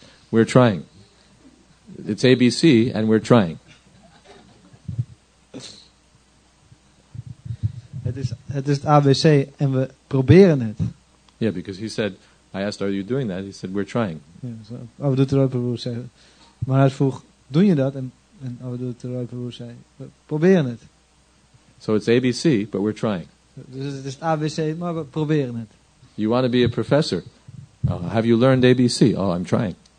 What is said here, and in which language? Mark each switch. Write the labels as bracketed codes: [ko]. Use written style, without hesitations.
[en] We're trying. It's ABC, and we're trying. [nl] Het is het ABC, en we proberen het. [en] Yeah, because he said, I asked, are you doing that? He said, we're trying. [nl] Avadutta Roy Prabhu zei, maar hij vroeg, doe je dat? En Avadutta Roy Prabhu zei, we proberen het. [en] So it's ABC, but we're trying. [nl] Dus het is ABC, maar we proberen het. [en] You want to be a professor? Have you learned ABC? Oh, I'm trying.